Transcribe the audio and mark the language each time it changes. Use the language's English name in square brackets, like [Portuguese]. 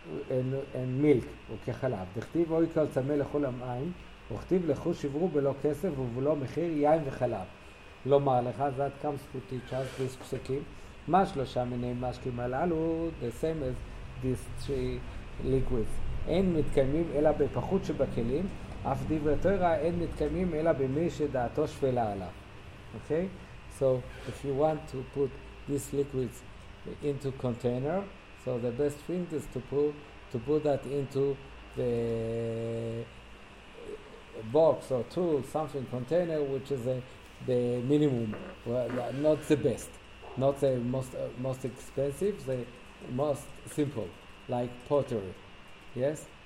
[English] and milk, [Hebrew] Kechalav, Dechtiv Hoy Kol Tzameh Lechol HaMayim, וכתיב לכו שברו בלא כסף ובלא מחיר יין וחלב. לומר לך, [English] that comes to teach us this פסקים, [Hebrew] מה שלושה מיני משקים הללו, [English] the same as these three liquids. [Hebrew] אין מתקיימים אלא בפחות שבכלים, אף דברי תורה אין מתקיימים אלא במי שדעתו שפלה עליו. [English] Okay? So, if you want to put these liquids into container, so the best thing is to put that into the box or tool, something, container, which is the minimum, not the best, not the most expensive, the most simple, like pottery. Yes?